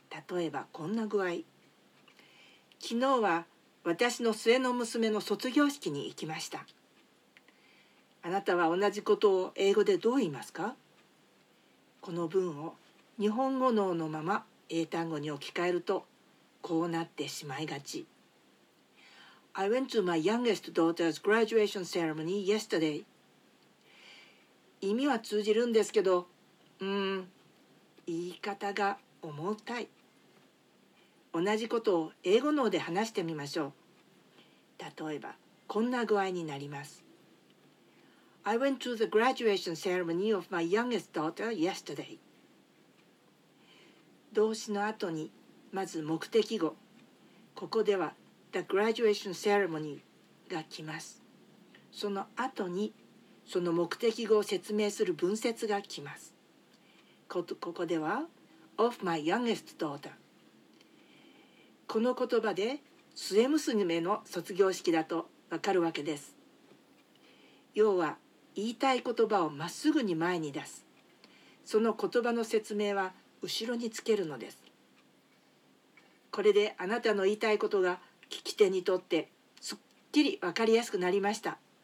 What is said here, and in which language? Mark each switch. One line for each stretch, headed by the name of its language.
Japanese: 例えばこんな具合。昨日は私の末の娘の卒業式に行きました。あなたは同じことを英語でどう言いますか？この文を日本語脳のまま英単語に置き換えるとこうなってしまいがち。
English: I went to my youngest daughter's graduation ceremony yesterday.
Japanese: 意味は通じるんですけど、言い方が重たい。同じことを英語脳で話してみましょう。例えばこんな具合になります。
English: I went to the graduation ceremony of my youngest daughter yesterday.
Japanese: 動詞の後にまず目的語。ここでは
English: the graduation ceremony
Japanese: が来ます。その後にその目的語を説明する文節が来ます。ここでは
English: of my youngest daughter。
Japanese: この言葉で末娘の卒業式だとわかるわけです。要は言いたい言葉をまっすぐに前に出す。その言葉の説明は後ろにつけるのです。これであなたの言いたいことが聞き手にとってすっきりわかりやすくなりました。